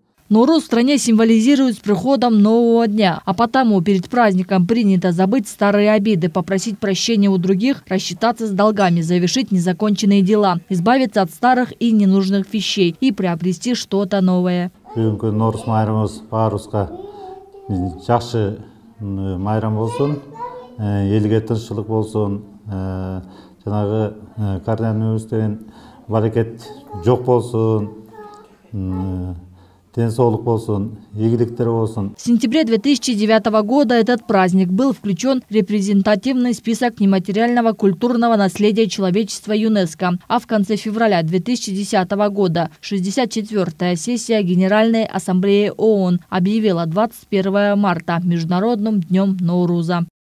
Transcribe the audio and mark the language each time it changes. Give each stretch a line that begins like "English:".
Russian: Ноуруз в стране символизирует с приходом нового дня. А потому перед праздником принято забыть старые обиды, попросить прощения у других, рассчитаться с долгами, завершить незаконченные дела, избавиться от старых и ненужных вещей и приобрести что-то новое.
Kyrgyz: бүгүнкү Нурус майрамыбыз баарыбызга жакшы майрам болсун, элге тынчтык болсун, жанагы коронавирус деген баракет жок болсун.
Russian: В сентябре 2009 года этот праздник был включен в репрезентативный список нематериального культурного наследия человечества ЮНЕСКО. А в конце февраля 2010 года 64-я сессия Генеральной Ассамблеи ООН объявила 21 марта Международным днем Ноуруза.